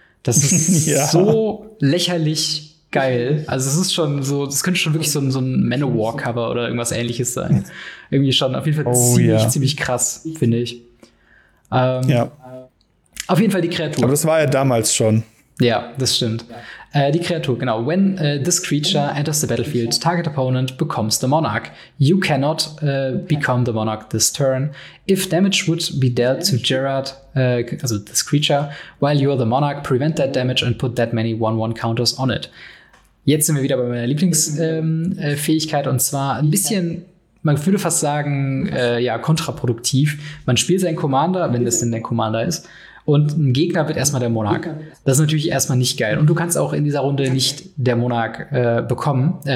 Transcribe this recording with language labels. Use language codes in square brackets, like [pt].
[de] Das ist so lächerlich geil. Also es ist schon so, das könnte schon wirklich so ein Manowar-Cover oder irgendwas ähnliches sein. Irgendwie schon auf jeden Fall ziemlich krass, finde ich. Auf jeden Fall die Kreatur. Aber das war ja damals schon. Ja, das stimmt. Die Kreatur, genau. [en] When this creature enters the battlefield, target opponent becomes the monarch. You cannot become the monarch this turn. If damage would be dealt to Gerard, also this creature, while you are the monarch, prevent that damage and put that many 1-1 counters on it. [de] Jetzt sind wir wieder bei meiner Lieblingsfähigkeit und zwar ein bisschen, man würde fast sagen, kontraproduktiv. Man spielt seinen Commander, wenn das denn der Commander ist, und ein Gegner wird erstmal der Monarch. Das ist natürlich erstmal nicht geil. Und du kannst auch in dieser Runde nicht der Monarch werden.